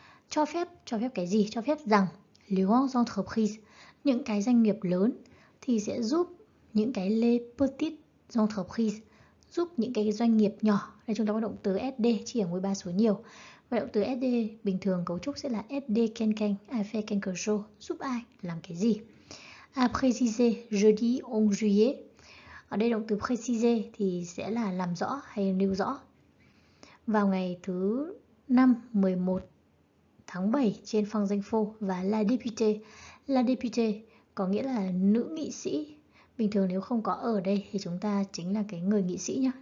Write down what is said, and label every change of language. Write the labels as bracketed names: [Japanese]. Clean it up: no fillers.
[Vietnamese] Cho phép cái gì? Cho phép rằng [French] les grandes entreprises, [Vietnamese] những cái doanh nghiệp lớn thì sẽ giúp những cái [French] les petites entreprises, [Vietnamese] giúp những cái doanh nghiệp nhỏ. Đây chúng ta có động từ SD chỉ ở ngôi ba số nhiều. Và động từ SD bình thường cấu trúc sẽ là SD [French] quelqu'un, a fait quelque chose, [Vietnamese] giúp ai, làm cái gì. [French] A préciser, jeudi 11 juillet. [Vietnamese] Ở đây động từ préciser thì sẽ là làm rõ hay nêu rõ. vào ngày thứ năm 11 tháng 7 trên Phan Danh Phô và La Députée. La Députée có nghĩa là nữ nghị sĩ. Bình thường nếu không có ở đây thì chúng ta chính là cái người nghị sĩ nhá.